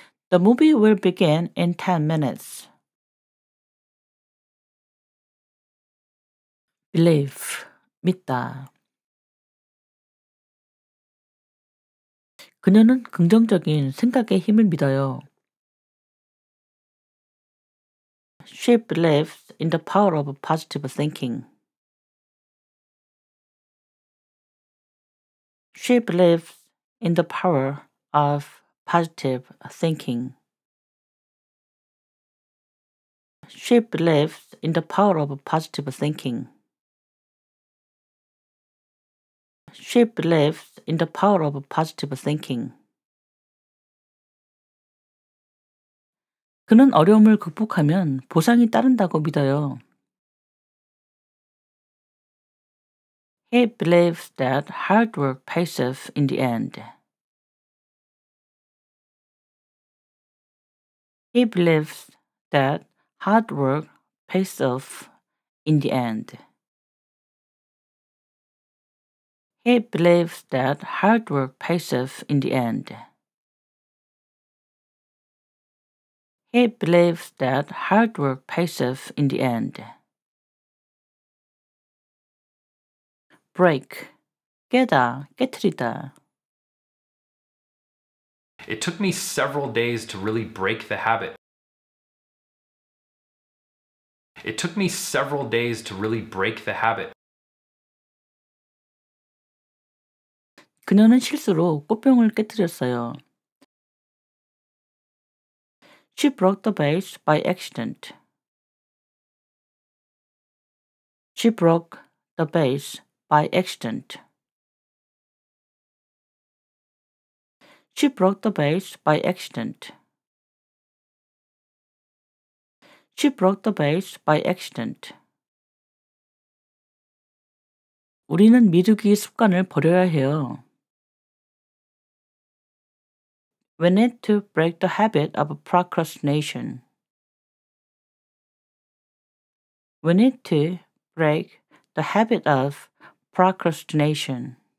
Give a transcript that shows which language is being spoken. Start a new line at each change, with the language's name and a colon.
English: The movie will begin in 10 minutes. Believe, 믿다.
Korean: 그녀는 긍정적인 생각에 힘을 믿어요.
English: She believes in the power of positive thinking. She believes in the power of positive thinking. She believes in the power of positive thinking. She believes in the power of positive thinking.
Korean: 그는 어려움을 극복하면 보상이 따른다고 믿어요.
English: He believes that hard work pays off in the end. He believes that hard work pays off in the end. He believes that hard work pays off in the end. He believes that hard work pays off in the end. Break.
Korean: 깨다, 깨트리다.
English: It took me several days to really break the habit. It took me several days to really break the habit.
Korean: 그녀는 실수로 꽃병을 깨트렸어요.
English: She broke the vase by accident. She broke the vase by accident. She broke the vase by accident. She broke the vase by accident.
Korean: 우리는 미루기 습관을 버려야 해요.
English: We need to break the habit of procrastination. We need to break the habit of procrastination.